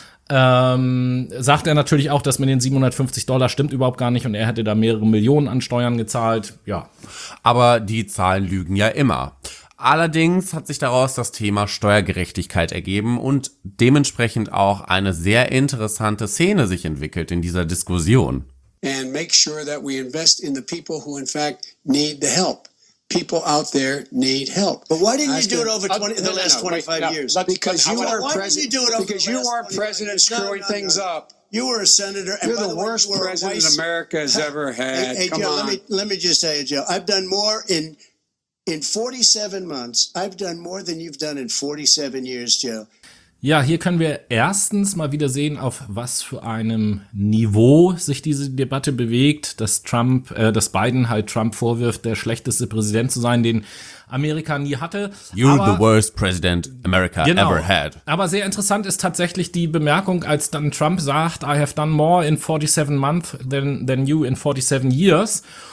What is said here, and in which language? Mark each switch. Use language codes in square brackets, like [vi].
[de] Sagt er natürlich auch, dass mit den $750 stimmt überhaupt gar nicht und er hätte da mehrere Millionen an Steuern gezahlt. Ja. Aber die Zahlen lügen ja immer. Allerdings hat sich daraus das Thema Steuergerechtigkeit ergeben und dementsprechend auch eine sehr interessante Szene sich entwickelt in dieser Diskussion. [en] And make sure that we invest in the people who in fact need the help. People out there need help. But why didn't you do it over the last 25 years? Because you are president screwing things up. You were a senator. You're the worst president America has ever had. Let me just tell you, Joe. I've done more in 47 months. I've done more than you've done in 47 years, Joe. [de] Ja, hier können wir erstens mal wieder sehen, auf was für einem Niveau sich diese Debatte bewegt, dass Trump, dass Biden halt Trump vorwirft, der schlechteste Präsident zu sein, den Amerika nie hatte. [en] The worst president America ever had. [de] Aber sehr interessant ist tatsächlich die Bemerkung, als dann Trump sagt, [en] I have done more in 47 months than you in 47 years.